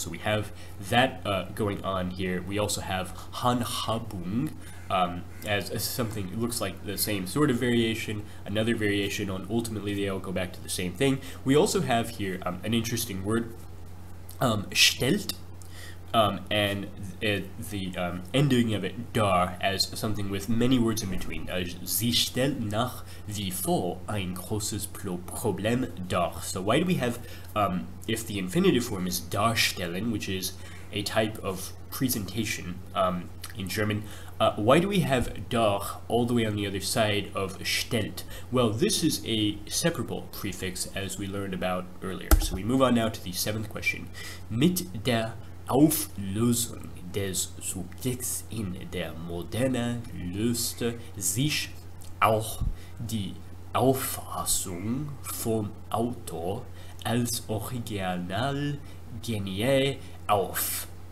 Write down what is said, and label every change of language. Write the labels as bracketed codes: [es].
[en] So we have that going on here. We also have Handhabung as something, it looks like the same sort of variation, another variation on ultimately they all go back to the same thing. We also have here an interesting word, stellt, and the ending of it, dar, as something with many words in between. [de] Sie stellt nach wie vor ein großes Problem dar. [en] So why do we have, if the infinitive form is darstellen, which is a type of presentation in German, why do we have dar all the way on the other side of stellt? Well, this is a separable prefix, as we learned about earlier. So we move on now to the seventh question. [de] Mit der Auflösung des Subjekts in der Moderne löste sich auch die Auffassung vom Autor als original genie auf.